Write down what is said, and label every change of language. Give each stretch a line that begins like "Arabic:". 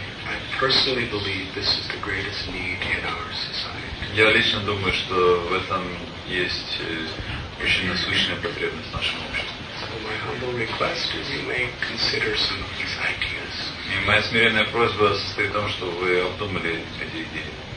English: I personally believe this is the greatest need in our society.
Russian: Я лично думаю, что в этом есть очень насущная потребность в нашем обществе.
English: My humble request is you may consider some of these ideas.
Russian: И моя смиренная просьба состоит в том, что вы обдумали эти идеи.